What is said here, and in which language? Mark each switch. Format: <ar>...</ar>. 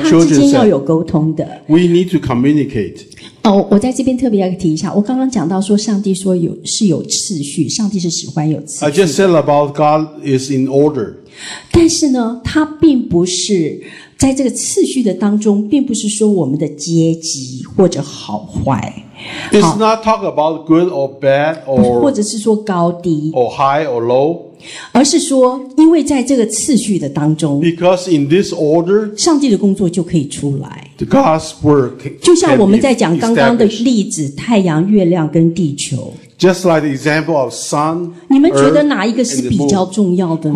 <zh>我们跟他之间要有沟通的。</zh> <en>We need to communicate.</en> <zh>哦，我在这边特别要提一下，我刚刚讲到说，上帝说有是有次序，上帝是喜欢有次序。</zh> <en>I just said about God is in order.</en> <zh>但是呢，他并不是。在这个次序的当中，并不是说我们的阶级或者好坏。</zh> <en>It's not talk about good or bad or</en> <zh>或者是说高低</zh> <en>or high or low，</en> <zh>而是说，因为在这个次序的当中</zh> <en>，because in this order，</en> <zh>上帝的工作就可以出来。</zh> <en>The God's work，</en> <zh>就像我们在讲刚刚的例子，太阳、月亮跟地球。</zh> <en>Just like the example of sun，</en> <zh>你们觉得哪一个是比较重要的呢</zh>